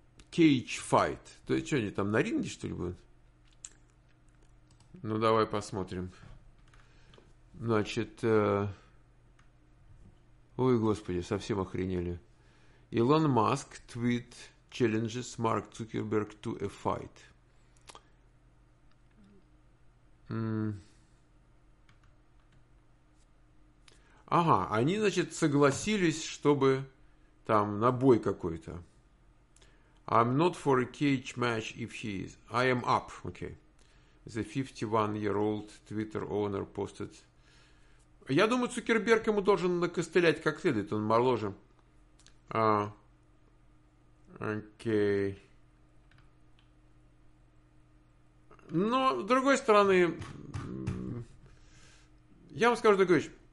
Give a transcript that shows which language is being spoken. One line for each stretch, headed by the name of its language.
English: Cage fight.
Russian: То есть, что они там на ринге, что ли, будут? Ну, давай посмотрим. Значит, ой, господи, совсем охренели.
English: Илон Маск твит challenges Mark Zuckerberg to a fight.
Russian: Ага, они, значит, согласились, чтобы там на бой какой-то.
English: I'm not for a cage match if he is. I am up. Okay. The 51-year-old Twitter owner posted...
Russian: Я думаю, Цукерберг ему должен накостылять как следует. Он моложе. Окей. Но, с другой стороны, я вам скажу такую вещь.